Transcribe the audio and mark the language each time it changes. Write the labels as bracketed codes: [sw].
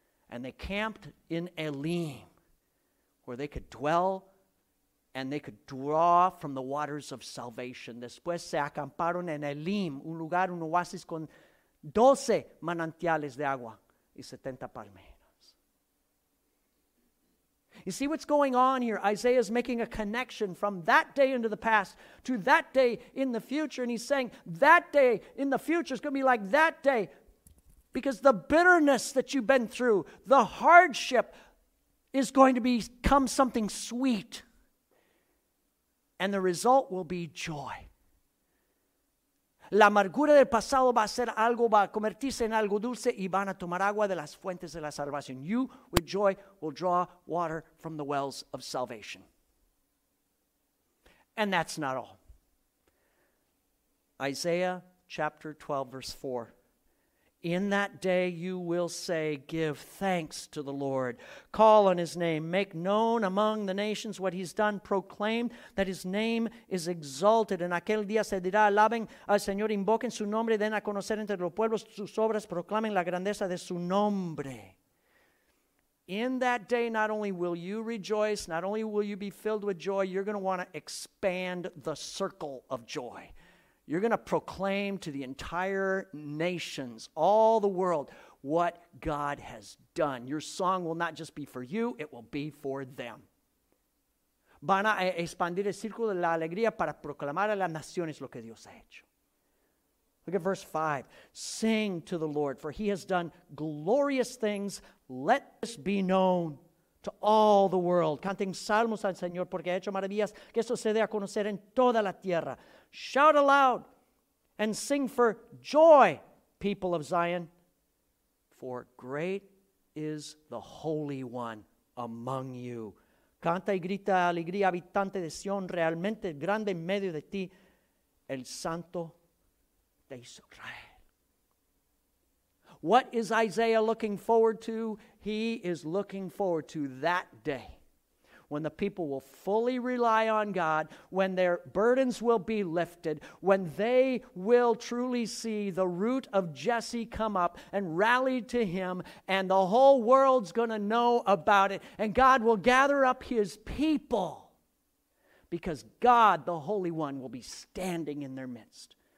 [en] And they camped in Elim, where they could dwell and they could draw from the waters of salvation. [es] Después se acamparon en Elim, un lugar, un oasis con 12 manantiales de agua y 70 palmeras. [en] You see what's going on here? Isaiah is making a connection from that day into the past to that day in the future. And he's saying that day in the future is going to be like that day, because the bitterness that you've been through, the hardship, is going to become something sweet. And the result will be joy. [es] La amargura del pasado va a ser algo, va a convertirse en algo dulce, y van a tomar agua de las fuentes de la salvación. [en] You, with joy, will draw water from the wells of salvation. And that's not all. Isaiah chapter 12, verse 4. In that day you will say, give thanks to the Lord. Call on his name. Make known among the nations what he's done. Proclaim that his name is exalted. [es] En aquel día se dirá, alaben al Señor, invoquen su nombre, den a conocer entre los pueblos sus obras, proclamen la grandeza de su nombre. [en] In that day, not only will you rejoice, not only will you be filled with joy, you're going to want to expand the circle of joy. You're going to proclaim to the entire nations, all the world, what God has done. Your song will not just be for you, it will be for them. [es] Van a expandir el círculo de la alegría para proclamar a las naciones lo que Dios ha hecho. [en] Look at verse 5. Sing to the Lord, for he has done glorious things. Let this be known to all the world. [es] Canten salmos al Señor, porque ha hecho maravillas, que eso se dé a conocer en toda la tierra. [en] Shout aloud and sing for joy, people of Zion, for great is the Holy One among you. [es] Canta y grita alegría, habitante de Sion, realmente grande en medio de ti, el Santo de Israel. [en] What is Isaiah looking forward to? He is looking forward to that day when the people will fully rely on God, when their burdens will be lifted, when they will truly see the root of Jesse come up and rally to him, and the whole world's going to know about it, and God will gather up his people, because God, the Holy One, will be standing in their midst.